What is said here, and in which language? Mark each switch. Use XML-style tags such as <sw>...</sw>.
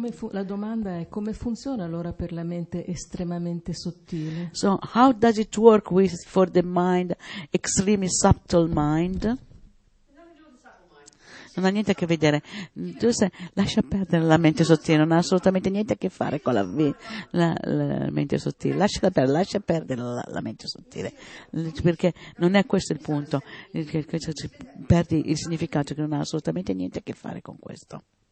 <it>La domanda è come funziona allora per la mente estremamente sottile.</it> <en>So how does it work with for the mind, extremely subtle mind?</en> <it>Non ha niente a che vedere. Tu sei, lascia perdere la mente sottile, non ha assolutamente niente a che fare con la mente sottile. Lascia perdere la mente sottile. Perché non è questo il punto. Perdi il significato, che non ha assolutamente niente a che fare con questo.</it>